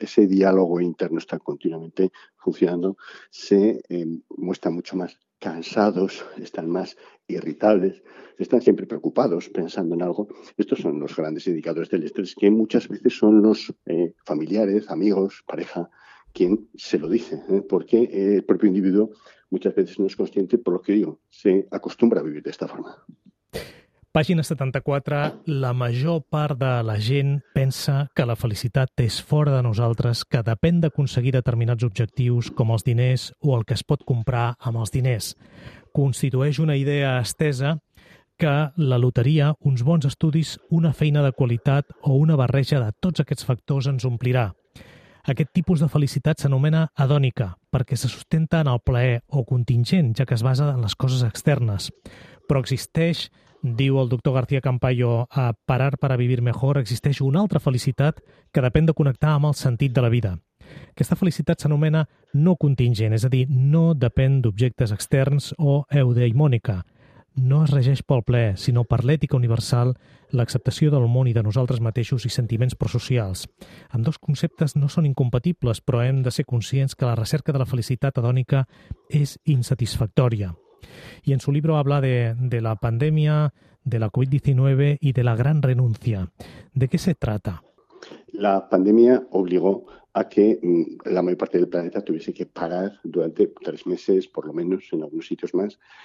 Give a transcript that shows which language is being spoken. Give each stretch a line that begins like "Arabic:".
Spanish: Ese diálogo interno está continuamente funcionando. Se muestran mucho más cansados, están más irritables, están siempre preocupados pensando en algo. Estos son los grandes indicadores del estrés, que muchas veces son los familiares, amigos, pareja, quien se lo dice, porque el propio individuo muchas veces no es consciente, por lo que digo, se acostumbra a vivir de esta forma.
Catalan: Pàgina 74, la major part de la gent pensa que la felicitat és fora de nosaltres, que depèn d'aconseguir determinats objectius com els diners o el que es pot comprar amb els diners. Constitueix una idea estesa que la loteria, uns bons estudis, una feina de qualitat o una barreja de tots aquests factors ens omplirà. Aquest tipus de felicitat s'anomena hedònica, perquè se sustenta en el plaer o contingent, ja que es basa en les coses externes. Però existeix, diu el doctor García Campayo, a Parar para vivir mejor, existeix una altra felicitat que depèn de connectar amb el sentit de la vida. Aquesta felicitat s'anomena no contingent, és a dir, no depèn d'objectes externs o eudaimònica. no es regeix pel ple, sinó per l'ètica universal, l'acceptació del món i de nosaltres mateixos i sentiments prosocials. Amb dos conceptes no són incompatibles, però hem de ser conscients que la recerca de la felicitat hedònica és insatisfactòria.
Spanish: Y en su libro habla de la pandemia, de la COVID-19 y de la gran renuncia. ¿De qué se trata? La pandemia obligó a que la mayor parte del planeta tuviese que parar durante 3 meses, por lo menos, en algunos sitios más.